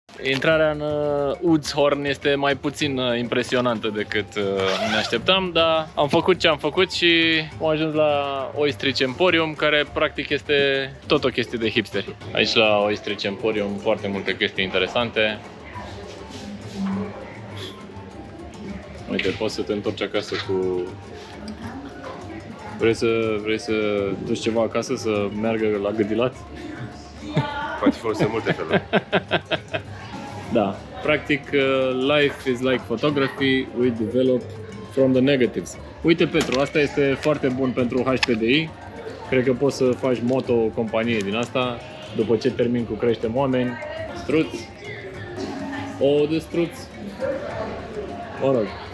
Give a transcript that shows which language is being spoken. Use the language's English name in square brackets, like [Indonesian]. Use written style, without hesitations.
[Romanian] Intrarea în Woodshorn este mai puțin impresionantă decât ne așteptam, dar am făcut ce am făcut și am ajuns la Oystrich Emporium, care practic este tot o chestie de hipster. Aici la Oystrich Emporium foarte multe chestii interesante. Uite, poți să te întorci acasă cu... Vrei să duci ceva acasă să meargă la gâdilat? Poate folosi multe feluri. Da. [English] Practic, life is like photography, we develop from the negatives. [Romanian] Uite, Petru, asta este foarte bun pentru HPDI. Cred că poți să faci moto o companie din asta, după ce termin cu creștem oameni. Struți. O de struți. Mă rog.